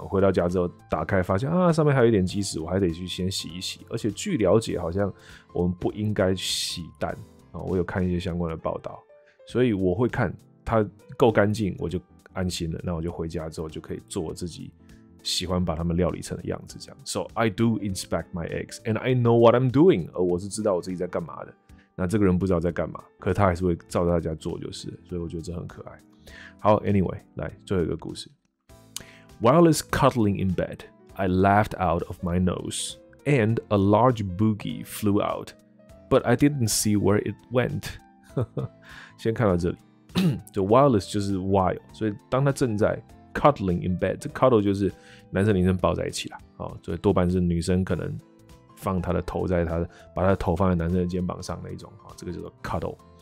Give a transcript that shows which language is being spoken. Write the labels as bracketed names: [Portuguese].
[Chinese] 回到家之后打开发现啊，上面还有一点鸡屎，我还得去先洗一洗。而且据了解，好像我们不应该洗蛋啊、哦。我有看一些相关的报道，所以我会看它够干净，我就安心了。那我就回家之后就可以做我自己喜欢把它们料理成的样子，这样。 [English] So I do inspect my eggs, and I know what I'm doing. [Chinese] 而我是知道我自己在干嘛的。那这个人不知道在干嘛，可他还是会照着大家做，就是。所以我觉得这很可爱。好 ，Anyway， 来最后一个故事。 [English] Wireless cuddling in bed, I laughed out of my nose, and a large boogie flew out, but I didn't see where it went. [Chinese] 先看到这里，就 wireless 就是 wire， 所以当他正在 [English] Cuddling in bed， [Chinese] 这 cuddle 就是男生女生抱在一起啦，哦，所以多半是女生可能放她的头在她的，把她的头放在男生的肩膀上那一种，哦，这个叫做 cuddle。